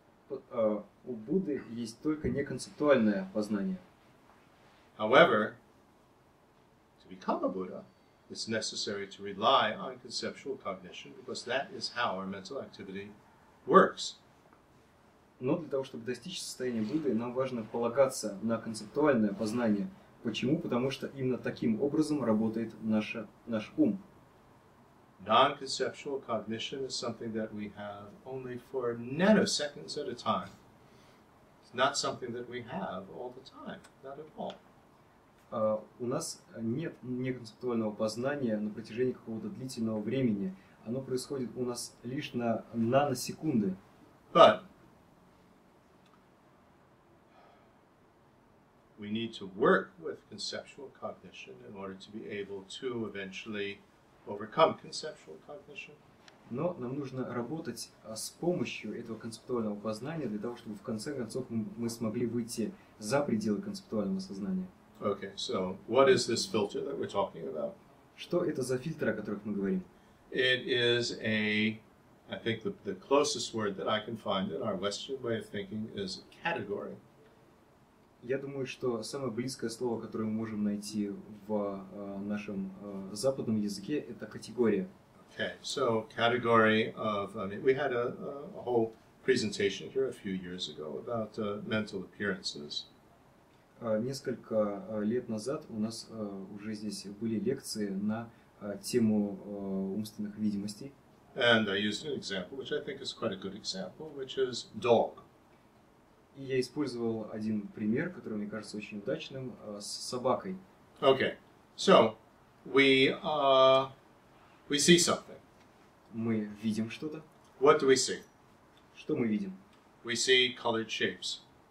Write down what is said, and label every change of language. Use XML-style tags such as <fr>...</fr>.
<ru>У Будды есть только неконцептуальное познание.</ru> <en>However, to become a Buddha, it's necessary to rely on conceptual cognition because that is how our mental activity works.</en> <ru>Но для того, чтобы достичь состояния Будды, нам важно полагаться на концептуальное познание. Почему? Потому что именно таким образом работает наш ум.</ru> <en>Non-conceptual cognition is something that we have only for nanoseconds at a time. It's not something that we have all the time, not at all.</en> <ru>У нас нет неконцептуального познания на протяжении какого-то длительного времени. Оно происходит у нас лишь на наносекунды.</ru> <en>But we need to work with conceptual cognition in order to be able to eventually overcome conceptual cognition.</en> <ru>Но нам нужно работать с помощью этого концептуального познания для того, чтобы в конце концов мы смогли выйти за пределы концептуального сознания.</ru> <en>Okay, so what is this filter that we're talking about?</en> <ru>Что это за фильтр, о которых мы говорим?</ru> <en>It is a, I think the closest word that I can find in our Western way of thinking is a category.</en> <ru>Я думаю, что самое близкое слово, которое мы можем найти в нашем западном языке, это категория.</ru> <en>Okay, so category of, I mean, we had a whole presentation here a few years ago about mental appearances.</en> <ru>Несколько лет назад у нас уже здесь были лекции на тему умственных видимостей.</ru> <en>And I used an example, which I think is quite a good example, which is dog.</en> <ru>И я использовал один пример, который мне кажется очень удачным, с собакой.</ru> <en>Okay, so we see something.</en> <ru>Мы видим что-то.</ru> <en>What do we see?</en> <ru>Что мы видим?</ru> <en>We see colored shapes.</en>